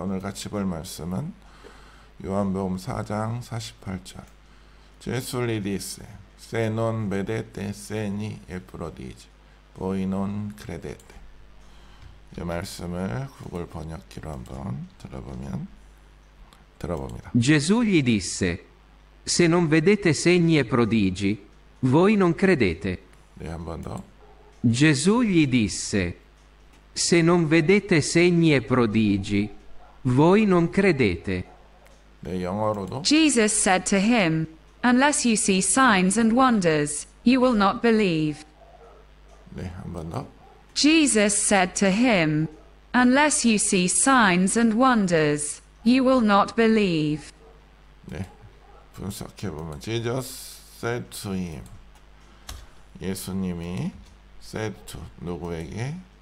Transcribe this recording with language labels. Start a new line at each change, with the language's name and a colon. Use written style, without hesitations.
Korean: 오늘 같이 볼 말씀은 요한복음 4장 48절.
Italian: 제술리디세 세논 베데테 세니 에프로디지 보이논 크레데테.
Korean: 이 말씀을 구글 번역기로 한번 들어봅니다.
Italian: Gesù gli disse: Se non vedete segni e prodigi, voi non credete.
Korean: 네, 한번 더.
Italian: Gesù gli disse: Se non vedete segni e prodigi, voi non credete.
Korean: 네, 영어로도.
English: Jesus said to him, Unless you see signs and wonders, you will not believe.
Korean: 네, 한번 더.
English: Jesus said to him, Unless you see signs and wonders, you will not believe.
Korean: 네, 분석해 보면
English: Jesus said to him.
Korean: 예수님이
English: said to
Korean: 누구에게?